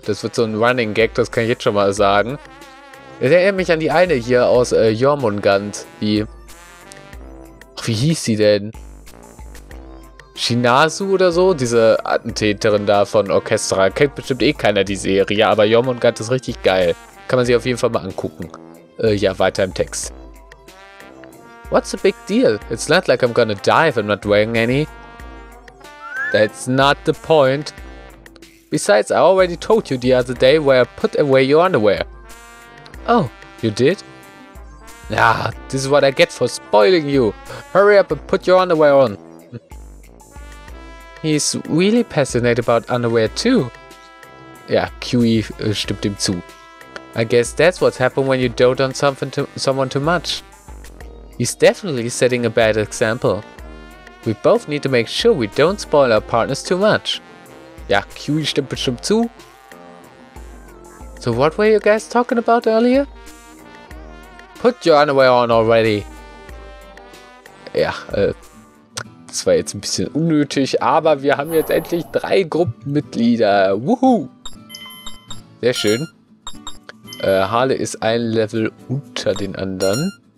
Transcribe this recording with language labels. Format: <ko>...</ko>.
<de>Das wird so ein Running Gag, das kann ich jetzt schon mal sagen. Das erinnert mich an die eine hier aus Jormungand, die... Ach, wie hieß sie denn? Shinazu oder so? Diese Attentäterin da von Orchestra. Kennt bestimmt eh keiner die Serie, aber Jormungand ist richtig geil. Kann man sich auf jeden Fall mal angucken. Ja, weiter im Text.</de> <en>What's the big deal? It's not like I'm gonna die if I'm not wearing any. That's not the point. Besides, I already told you the other day where I put away your underwear. Oh, you did? Ah, this is what I get for spoiling you. Hurry up and put your underwear on. He's really passionate about underwear too. Yeah,</en> <de>QE stimmt ihm zu.</de> <en>I guess that's what happens when you dote on someone too much. He's definitely setting a bad example. We both need to make sure we don't spoil our partners too much.</en> <de>Ja, Kiwi stimmt bestimmt zu.</de> <en>So what were you guys talking about earlier? Put your underwear on already.</en> <de>Ja, das war jetzt ein bisschen unnötig, aber wir haben jetzt endlich drei Gruppenmitglieder. Wuhu! Sehr schön. Harley ist ein Level unter den anderen.</de>